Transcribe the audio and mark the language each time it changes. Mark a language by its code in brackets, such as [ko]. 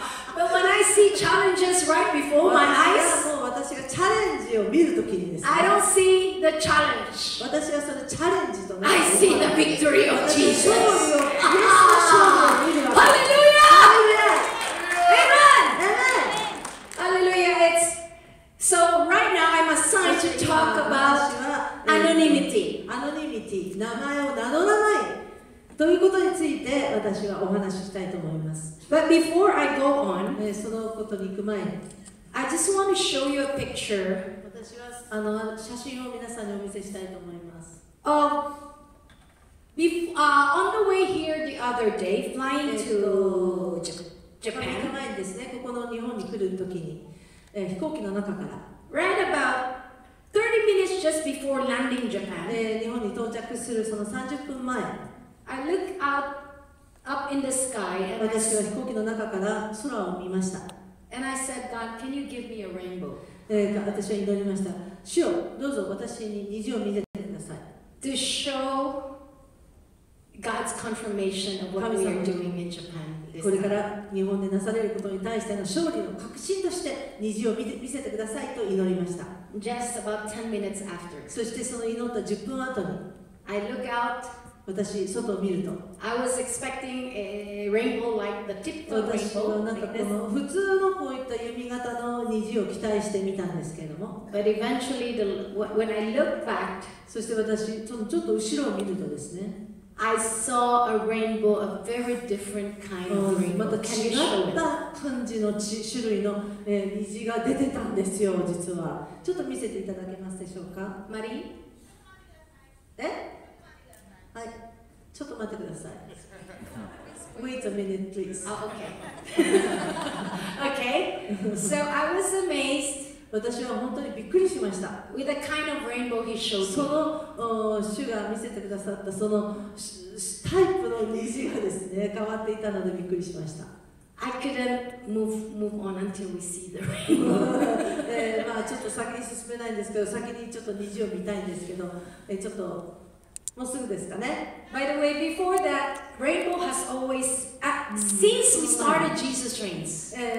[en] But when I see challenges right before my eyes, [ja] 私がチャレンジを見るときにです [en] ね、I don't see the challenge. [ja] 私はそのチャレンジと見る。 [en] I see the victory of Jesus. [ja] 勝利を、イエスの勝利を見るわけ。 [en] Hallelujah! Hallelujah! Amen! Amen! It's so right now I'm assigned to talk about anonymity. [ja] Anonymity. 名前を名乗らない。ということについて私はお話ししたいと思います。 [en] But before I go on, [ja] そのことに行く前に、 [en] I just want to show you a picture. [ja] 私は写真を皆さんにお見せしたいと思います。 [en] On the way here the other day, flying to Japan. [ja] 行く前にですね、ここの日本に来るときに、飛行機の中から。 [en] Right about 30 minutes just before landing Japan. [ja] 日本に到着するその30分前。 [en] I look up in the sky and [ja] 私は飛行機の中から空を見ました。 [en] And I said, God, can you give me a rainbow? [ja] 私は祈りました。主よ、どうぞ私に虹を見せてください。 [en] To show God's confirmation of what we are doing in Japan. [ja] これから日本でなされることに対しての勝利の確信として虹を見せてくださいと祈りました。 [en] Just about 10 minutes after. [ja] そしてその祈った10分後に。 [en] I look out. [ja] 私外を見ると [en] I was expecting a rainbow like the typical rainbow. [ja] 私はなんかこの普通のこういった弓形の虹を期待してみたんですけれども [en] But eventually when I looked back, [ja] そして私ちょっと後ろを見るとですね [en] I saw a rainbow, a very different kind of rainbow. [ja] また違った感じの種類の虹が出てたんですよ実はちょっと見せていただけますでしょうかマリーえはい、ちょっと待ってください。 [en] Wait a minute, please. Oh, okay. Okay. So I was amazed. [ja] 私は本当にびっくりしました。 [en] With the kind of rainbow he showed me. [ja] その主が見せてくださったそのタイプの虹がですね、変わっていたのでびっくりしました。 [en] I couldn't move on until we see the rainbow. [ja] まあちょっと先に進めないんですけど、先にちょっと虹を見たいんですけど、ちょっと。もうすぐですかね。 [en] By the way, before that, rainbow has always, since we started Jesus Reigns.